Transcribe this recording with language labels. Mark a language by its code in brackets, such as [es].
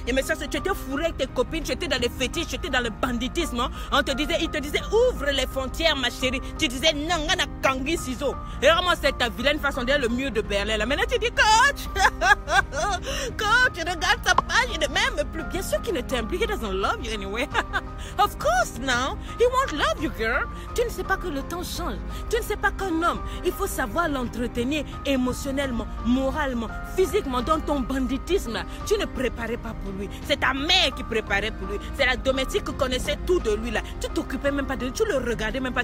[fr] Et mes soeurs, tu étais fourré avec tes copines, tu étais dans les fétiches, tu étais dans le banditisme. Hein? On te disait, il te disait, ouvre les frontières, ma chérie. Tu disais, non, on a kangui ciseaux. Et vraiment, c'est ta vilaine façon d'être le mur de Berlin là. Maintenant, tu dis, coach, coach, regarde ta page, il est même plus bien sûr qu'il ne temple. [en] He doesn't love you anyway. Of course, now he won't love you, girl. [fr] Tu ne sais pas que le temps change. Tu ne sais pas qu'un homme, il faut savoir l'entretenir émotionnellement, moralement, physiquement, dans ton banditisme. Là, tu ne préparais pas pour lui. C'est ta mère qui préparait pour lui. C'est la domestique qui connaissait tout de lui. Là, tu t'occupais même pas de lui. Tu le regardais même pas.